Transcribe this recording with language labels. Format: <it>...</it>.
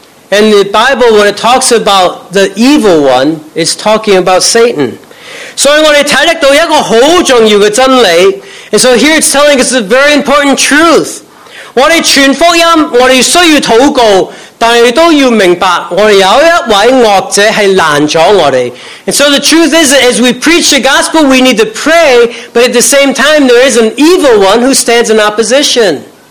<en>And the Bible, when it talks about the evil one, it's talking about Satan. So here it's telling us a very important truth.</en> <zh>我们传福音，我们需要祷告，但是都要明白，我们有一位恶者是拦阻我们。</zh> <en>And so the truth is that as we preach the gospel, we need to pray, but at the same time, there is an evil one who stands in opposition.</en>